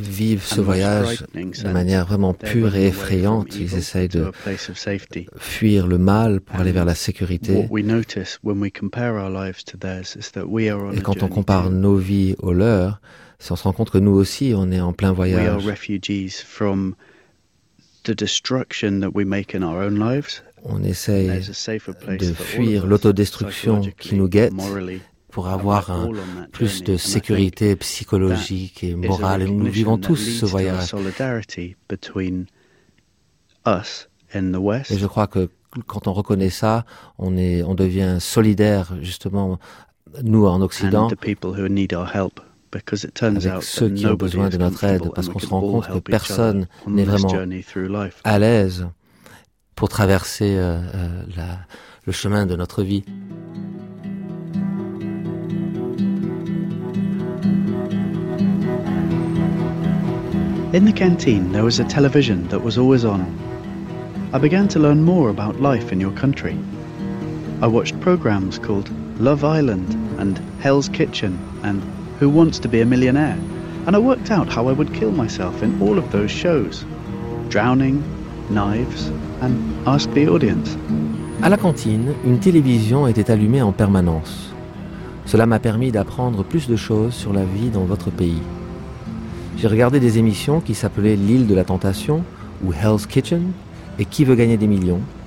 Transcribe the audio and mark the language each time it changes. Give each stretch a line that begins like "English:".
French: vivent ce voyage de manière vraiment pure et effrayante. Ils essayent de fuir le mal pour aller vers la sécurité. Et quand on compare nos vies aux leurs, on se rend compte que nous aussi, on est en plein voyage.
English: We are refugees from the destruction that we make in our own lives.
French: On essaye de fuir l'autodestruction qui nous guette pour avoir plus de sécurité psychologique et morale. Et nous vivons tous ce voyage. Et je crois que quand on reconnaît ça, on devient solidaire, justement, nous en Occident, avec ceux qui ont besoin de notre aide, parce qu'on se rend compte que personne n'est vraiment à l'aise pour traverser le chemin de notre vie.
English: In the canteen, there was a television that was always on. I began to learn more about life in your country. I watched programs called Love Island and Hell's Kitchen and Who Wants to Be a Millionaire, and I worked out how I would kill myself in all of those shows. Drowning, knives, and ask the audience.
French: À la cantine, une télévision était allumée en permanence. Cela m'a permis d'apprendre plus de choses sur la vie dans votre pays. J'ai regardé des émissions qui s'appelaient L'île de la tentation ou Hell's Kitchen et Qui veut gagner des millions.